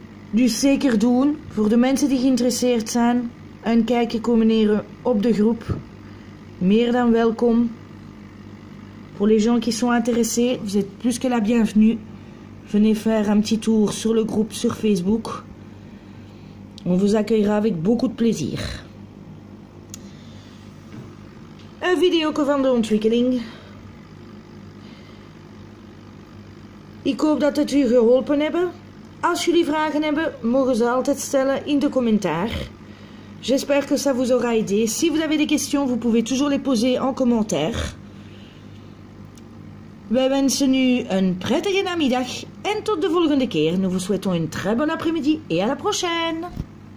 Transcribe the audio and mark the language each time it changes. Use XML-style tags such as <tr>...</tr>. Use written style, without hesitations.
<nl>Dus zeker doen, voor de mensen die geïnteresseerd zijn, een kijkje komen nemen op de groep. Meer dan welkom.</nl> <fr>Pour les gens qui sont intéressés, vous êtes plus que la bienvenue. Venez faire un petit tour sur le groupe sur Facebook. On vous accueillera avec beaucoup de plaisir.</fr> <nl>Een video van de ontwikkeling. Ik hoop dat het u geholpen hebben. Als jullie vragen hebben, mogen ze altijd stellen in de commentaar.</nl> <fr>J'espère que ça vous aura aidé. Si vous avez des questions, vous pouvez toujours les poser en commentaire.</fr> <nl>Wij wensen u een prettige namiddag en tot de volgende keer.</nl> <fr>Nous vous souhaitons une très bonne après-midi et à la prochaine!</fr>